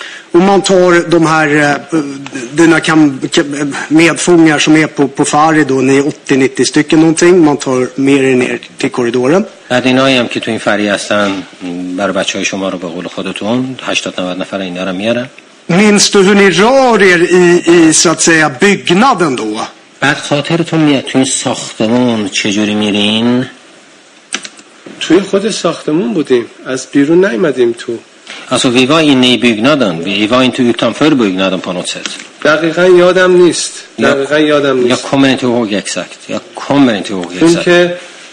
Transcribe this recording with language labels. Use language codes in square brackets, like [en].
[sv] Och man tar de här, dina medfångar som är på Farid, ni är 80-90 stycken någonting, man tar med er ner till korridoren. [fa] بعد اینایی هم که تو این فری هستن برای بچه های شما رو به قول خودتون 80-90 نفر اینا رو میارن. [sv] Minns du hur ni rör er i så att säga byggnaden då? [fa] بعد خاطرتون میاد تو این ساختمون چجوری میرین؟ توی خود ساختمون بودیم، از بیرون نیمدیم تو. [sv] Alltså vi var inne i byggnaden, vi var inte utanför byggnaden på något sätt. [fa] دقیقاً یادم نیست. دقیقاً یادم نیست. [sv] Jag kommer inte ihåg exakt.